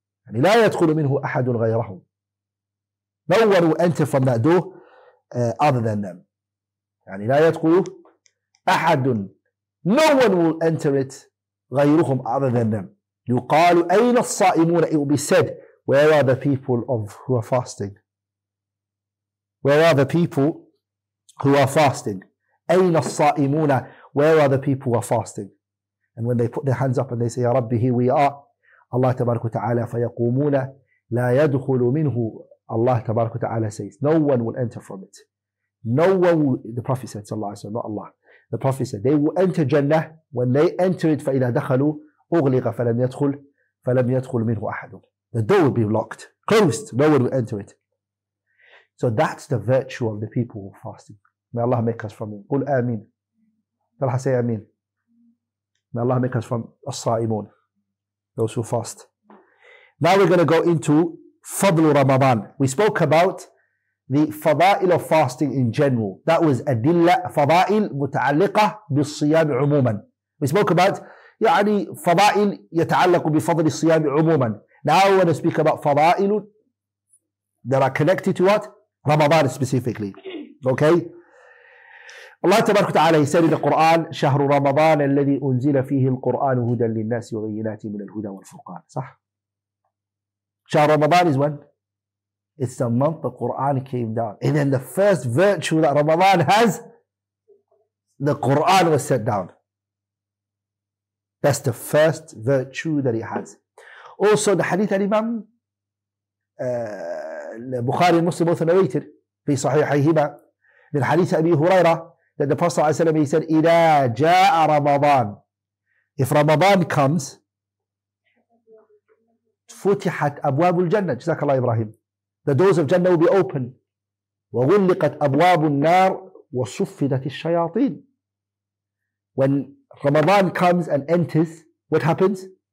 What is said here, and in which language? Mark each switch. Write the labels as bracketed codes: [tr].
[ar] يعني لا يدخل منه أحد غيرهم. [en] No one will enter from that door other than them. [ar] يعني لا يدخل أحد. [en] No one will enter it [ar] غيرهم [en] other than them. [ar] يقال أين الصائمون. [en] It will be said, where are the people of who are fasting? Where are the people who are fasting? [ar] أين الصائمون. [en] Where are the people who are fasting? And when they put their hands up and they say, [ar] يا ربي, [en] here we are, Allah [ar] تبارك وتعالى فيقومون لا يدخل منه. [en] Allah تبارك وتعالى says, no one will enter from it. No one will, the Prophet said, [ar] صلى الله عليه وسلم, [en] not Allah. The Prophet said, they will enter Jannah. When they enter it, [ar] فإذا دخلوا أغلق فلم يدخل منه أحد. [en] The door will be locked, closed. No one will enter it. So that's the virtue of the people who are fasting. May Allah make us from them. [ar] قل آمين. [en] Talha, say آمين. May Allah make us from الصائمون, those who fast. Now we're going to go into [ar] فضل رمضان. [en] We spoke about the فضائل of fasting in general. That was [ar] أدلة فضائل متعلقة بالصيام عموما. [en] We spoke about [ar] يعني فضائل يتعلق بفضل الصيام عموما. [en] Now I want to speak about فضائل that are connected to what? رمضان specifically. Okay. [ar] الله تبارك وتعالى يسأل في القرآن شهر رمضان الذي أنزل فيه القرآن هدى للناس وبينات من الهدى والفرقان. صح. [en] شهر رمضان is when it's the month the Quran came down. And then the first virtue that Ramadan has, the Quran was set down. That's the first virtue that he has. Also, the hadith of Imam Bukhari and Muslim both narrated [ar] في صحيحيهما من حديث أبي هريرة [en] that the Prophet [ar] صلى الله عليه وسلم [en] he said [ar] إِذَا جَاءَ رَمَضَانَ [en] if Ramadan comes [ar] فُتِحَتْ أَبْوَابُ الْجَنَّةِ جزاك الله إبراهيم [en] the doors of Jannah will be open [ar] وَغُلِّقَتْ أَبْوَابُ النَّارِ وَصُفِّدَتِ الشَّيَاطِينَ [en] when Ramadan comes and enters what happens?